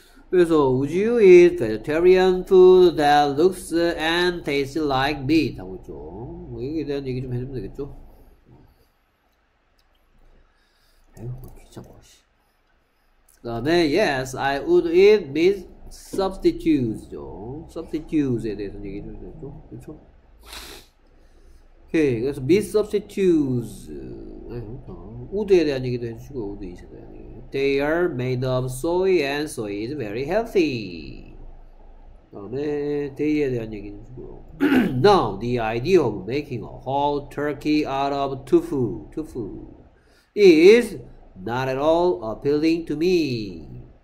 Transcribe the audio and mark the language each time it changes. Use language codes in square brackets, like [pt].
[ko] 그래서 [en] would you eat vegetarian food that looks and tastes like meat? [ko] 하고 있죠. 뭐 여기에 대한 얘기 좀 해주면 되겠죠? 에휴, 귀찮아. 그다음에 [en] yes, I would eat meat. substitutes죠. [ko] substitutes에 대해서 얘기해 주셔도 그렇죠? 오케이. 그래서 [en] meat substitutes. [ko] 우드에 대한 얘기도 해 주시고 우드 이세 대한 얘기. [en] They are made of soy and soy is very healthy. [ko] 다음에 데이에 대한 얘기 해 주시고. [en] Now, the idea of making a whole turkey out of tofu is not at all appealing to me.